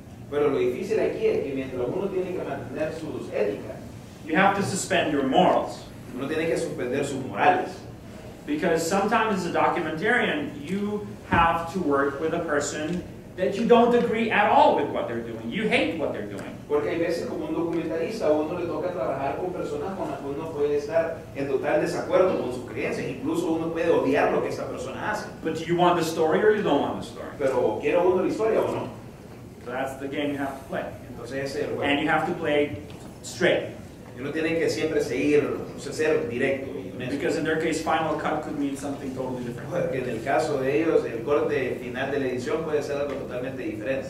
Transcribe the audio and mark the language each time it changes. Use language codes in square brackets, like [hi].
[es] pero lo difícil aquí es que mientras uno tiene que mantener sus éticas, [en] you have to suspend your morals. [es] Uno tiene que suspender sus morales. [en] Because sometimes as a documentarian, you have to work with a person that you don't agree at all with what they're doing. You hate what they're doing. [es] Porque hay veces como un documentalista, uno le toca trabajar con personas con las que uno puede estar en total desacuerdo con sus creencias. Incluso uno puede odiar lo que esa persona hace. [en] But do you want the story or you don't want the story? [es] Pero quiero uno la historia o no. [en] So that's the game you have to play. [es] Entonces ese es el juego. [en] And you have to play straight. [es] Uno tiene que siempre seguir, o sea, ser directo. [en] Because in their case, final cut could mean something totally different. [es] Porque en el caso de ellos, el corte final de la edición puede ser algo totalmente diferente.